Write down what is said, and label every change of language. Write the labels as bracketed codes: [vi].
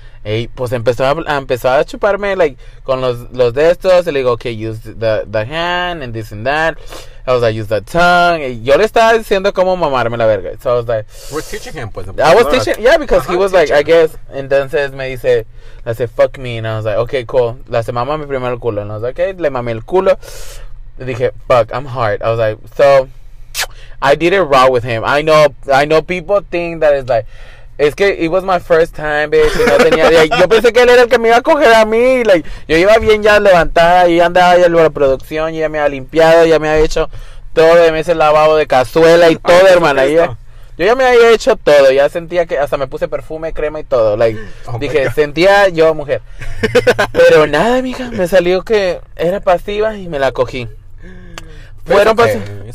[es] Hey, pues empezó a chuparme, like, con los de estos. Y le digo, [en] okay, use the hand and this and that. I was like, use the tongue. [es] Y yo le estaba diciendo cómo mamarme la verga. [en] So I was like, we're teaching him, pues. I was teaching, yeah, because he was like, I guess. [es] Entonces me dice, le dice, [en] fuck me. And I was like, okay, cool. [es] Le dice, mama mi primer culo. [en] And I was like, okay, [es] le mamé el culo. Le dije, [en] fuck, I'm hard. I was like, so I did it raw with him. I know people think that it's like, [es] es que [en] it was my first time, bitch. [es] No tenía, like, yo pensé que él era el que me iba a coger a mí. Like, yo iba bien ya levantada y andaba ya en la producción. Y ya me había limpiado, ya me había hecho todo. Ya me hice el lavado de cazuela y todo, ay, hermana. Y ya, yo ya me había hecho todo. Ya sentía que hasta me puse perfume, crema y todo. Like, oh, dije, sentía yo mujer. Pero nada, mija, me salió que era pasiva y me la cogí. Fueron pasivas.